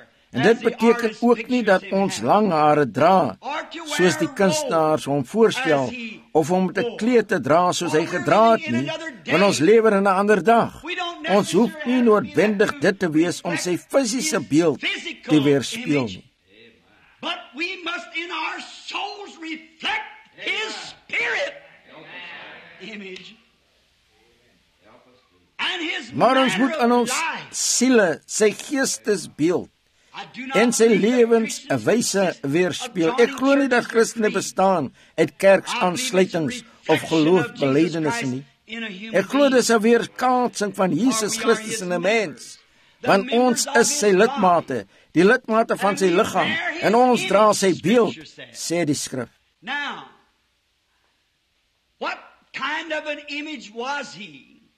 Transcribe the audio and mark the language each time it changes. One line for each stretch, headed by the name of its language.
Afrikaans: En dit beteken ook nie dat ons lang hare dra soos die kunstenaars om voorstel, of om te kleed te dra soos hy gedra het nie, want ons lewer in 'n ander dag. Ons hoef nie noodwendig dit te wees om sy fisiese beeld te weerspieël nie.
English: But we must in our souls reflect his spirit image. And his
Afrikaans: maar ons moet in ons siele sy geestesbeeld en sy lewenswyse weerspieël. Ek glo nie dat Christene bestaan uit kerksaansluitings of geloofbelijdenisse nie. Ek glo dis 'n weerkaatsing van Jesus Christus in 'n mens, want ons is sy lidmate, die lidmate van sy liggaam, en ons dra sy beeld, sê die skrif.
English: Now, what kind of an image was he?